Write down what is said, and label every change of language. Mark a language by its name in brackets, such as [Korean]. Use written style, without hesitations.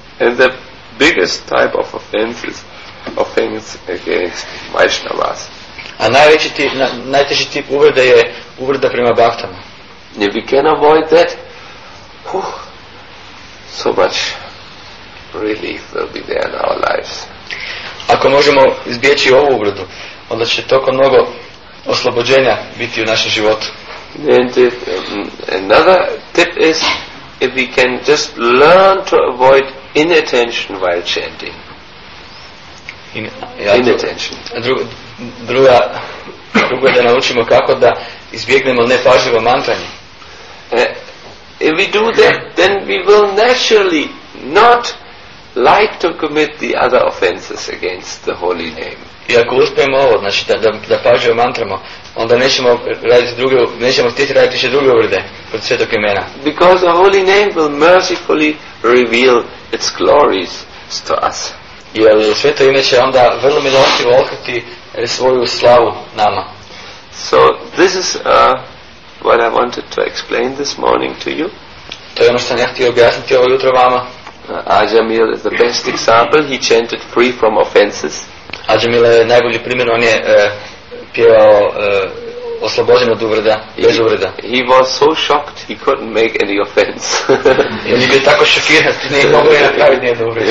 [English] And the biggest type of offense against Vaishnavas. [Croatian] A najteži tip uvrede je uvreda prema Bhaktama. [English] If we can avoid that, so much relief will be there in our lives. [Croatian] Ako možemo izbjeći ovu uvredu, onda će toliko mnogo oslobođenja biti u našem životu. [English] And if, another tip is if we can just learn to avoid inattention while chanting. Inattention. [Croatian] Drugo je da naučimo kako da izbjegnemo nepažljivo mantranje. [English] If we do that, then we will naturally not like to commit the other offenses against the holy name. [Croatian] I ako uspijemo ovo, znači da pažljivo mantramo, onda nećemo raditi druge, nećemo htjeti raditi više druge uvrede pred svetog imena. [English] Because the holy name will mercifully reveal its glories to us. [Croatian] Jer sveto ime će onda vrlo milostivo otkriti svoju slavu nama. [English] So this is what I wanted to explain this morning to you. [Croatian] To je ono što sam ja htio objasniti ovo jutro vama. [English] Ajamil is the best example. He chanted free from offenses. [Croatian] Ajamil je najbolji primjer, on je pjevao oslobođen od uvreda, bez uvreda. [English] He was so shocked he couldn't make any offense. [Croatian] On je bio tako šokiran da nije mogao napraviti ni jednu uvredu.